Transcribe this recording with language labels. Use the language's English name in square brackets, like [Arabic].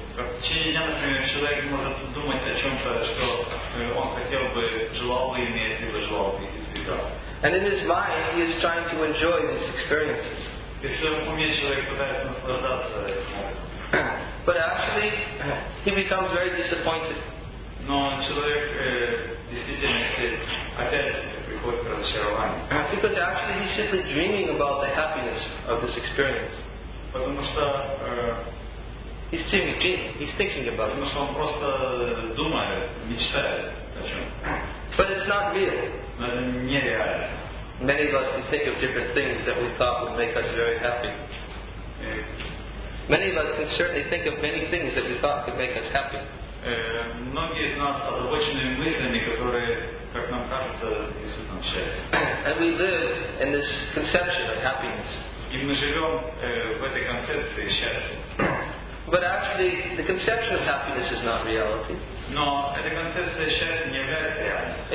[Russian] В течение дня, например, человек может думать о чем-то, что он хотел бы, желал бы иметь, либо желал бы избегать. [English] And in his mind, he is trying to enjoy these experiences. [Russian] И в своем уме человек пытается наслаждаться этим. [English] But actually, he becomes very disappointed. [Russian] Но человек действительно опять приходит к разочарованию. [English] Because actually he's simply dreaming about the happiness of this experience. [Russian] Потому что [English] he's dreaming. He's thinking about it. [Russian] Потому что он просто думает, мечтает о чем. [English] But it's not real. [Russian] Но это нереально. [English] Many of us can think of different things that we thought would make us very happy. Many of us can certainly think of many things that we thought could make us happy. [Russian] Многие из нас озабочены мыслями, которые, как нам кажется, несут нам счастье. [English] And we live in this conception of happiness. [Russian] И мы живем в этой концепции счастья. [English] But actually, the conception of happiness is not reality. [Russian] Но эта концепция счастья не является реальностью.